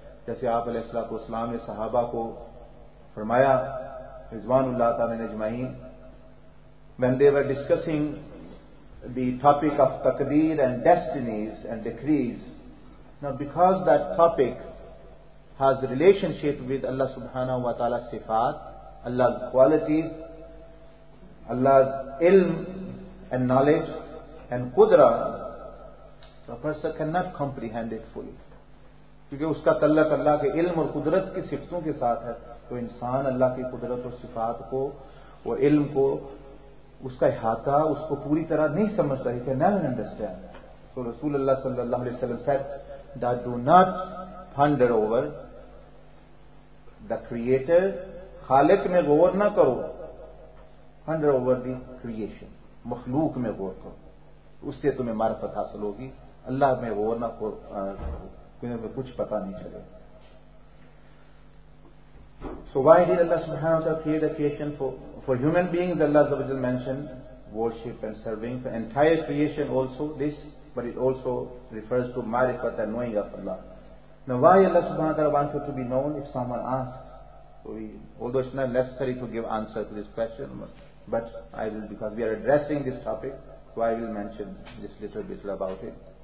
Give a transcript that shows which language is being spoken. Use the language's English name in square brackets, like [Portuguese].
[Urdu] جیسے آپ علیہ الصلوۃ والسلام نے صحابہ کو فرمایا رضوان اللہ تعالی اجمعین, [English] when they were discussing the topic of تقدیر and destinies and decrees, now because that topic has relationship with Allah subhanahu wa ta'ala's sifat, Allah's qualities, Allah's ilm and knowledge and qudra, the person cannot comprehend it fully. [Urdu] کیونکہ اس کا تعلق اللہ کے علم اور قدرت کی صفتوں کے ساتھ ہے, تو انسان اللہ کی قدرت اور صفات کو اور علم کو, اس کا احاطہ اس کو پوری طرح نہیں سمجھتا. [English] He cannot understand. So رسول اللہ صلی اللہ علیہ وسلم said that do not ponder over the creator, [Urdu] خالق میں غور نہ کرو, [English] ponder over the creation, [Urdu] مخلوق میں غور کرو, اس سے تمہیں معرفت حاصل ہوگی, اللہ میں غور نہ کرو کیونکہ کچھ پتہ نہیں چلے. [English] So why did Allah subhanahu wa ta'ala create the creation for human beings? Allah subhanahu wa ta'ala mentioned worship and serving for entire creation also this, but it also refers to معرفت and knowing of Allah. Now why Allah subhanahu wa ta'ala wanted to be known, if someone asks, although it's not necessary to give answer to this question, but I will, because we are addressing this topic, so I will mention this little bit about it.